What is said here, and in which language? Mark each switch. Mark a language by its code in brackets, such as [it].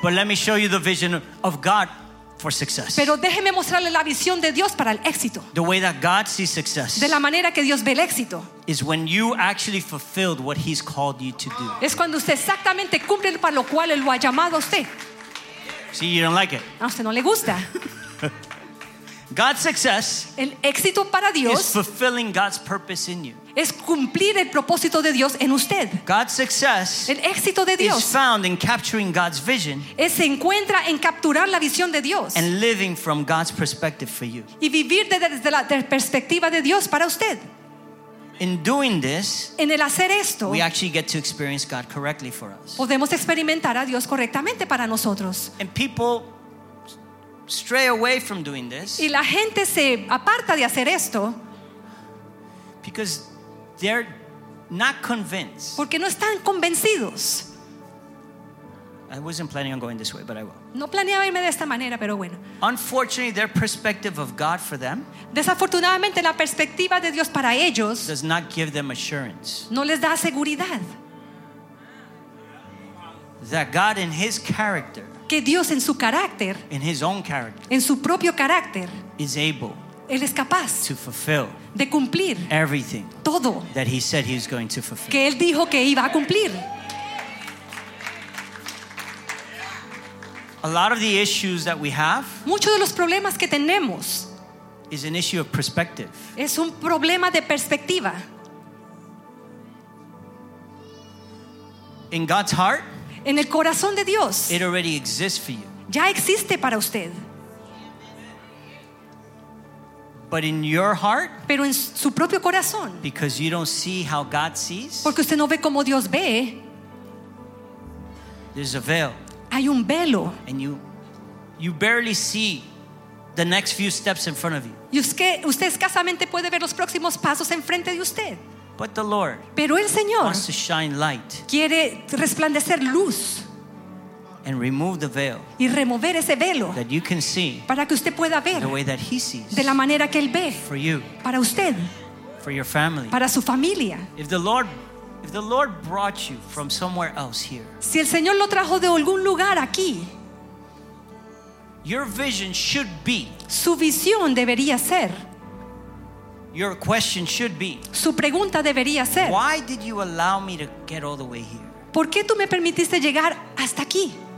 [en] But let me show you the vision of God for success. [es] Pero déjeme mostrarle la visión de Dios para el éxito. [en] The way that God sees success. [es] De la manera que Dios ve el éxito. [en] Is when you actually fulfilled what He's called you to do. [es] Es cuando usted exactamente cumple para lo cual él lo ha llamado a usted. [en] See, you don't like it. [es] A usted no le gusta. [en] God's success, [es] el éxito para Dios, [en] is fulfilling God's purpose in you. [es] Es cumplir el propósito de Dios en usted. [en] God's success, [es] el éxito de Dios, [en] is found in capturing God's vision. [es] Es se encuentra en capturar la visión de Dios. [en] And living from God's perspective for you. [es] Y vivir desde la perspectiva de Dios para usted. [en] In doing this, [es] en el hacer esto, [en] we actually get to experience God correctly for us. [es] Podemos experimentar a Dios correctamente para nosotros. [en] And people stray away from doing this. [es] Y la gente se aparta de hacer esto. [en] Because they're not convinced. [es] Porque no están convencidos. [en] I wasn't planning on going this way, but I will. [es] No planeaba irme de esta manera, pero bueno. [en] Unfortunately, their perspective of God for them. [es] Desafortunadamente, la perspectiva de Dios para ellos. [en] Does not give them assurance. [es] No les da seguridad. [en] That God in His character. [es] Que Dios en su carácter, [en] in his own character, [es] en su propio carácter, [en] is able, [es] él es capaz, [en] to fulfill, [es] de cumplir, [en] everything, [es] todo, [en] that he said he was going to fulfill, [es] que él dijo que iba a cumplir. [en] A lot of the issues that we have, [es] muchos de los problemas que tenemos, [en] is an issue of perspective, [es] es un problema de perspectiva. [en] In God's heart. [es] En el corazón de Dios. [en] It already exists for you. [es] Ya existe para usted. [en] But in your heart. [es] Pero en su propio corazón. [en] Because you don't see how God sees. [es] Porque usted no ve como Dios ve. [en] There's a veil. [es] Hay un velo. [en] And you barely see the next few steps in front of you. [es] Y usted escasamente puede ver los próximos pasos enfrente de usted. [en] But the Lord, [es] pero el Señor, [en] wants to shine light, [es] quiere resplandecer luz, [en] and remove the veil, [es] y remover ese velo, [en] that you can see, [es] para que usted pueda ver, [en] the way that He sees, [es] de la manera que él ve, [en] for you, [es] para usted, [en] for your family, [es] para su familia. [en] If the Lord brought you from somewhere else here, [es] si el Señor lo trajo de algún lugar aquí, [en] your vision should be, [es] su visión debería ser. [en] Your question should be. [es] Su pregunta debería ser. [en] Why did you allow me to get all the way here? [es] ¿Por qué tú me permitiste llegar hasta aquí?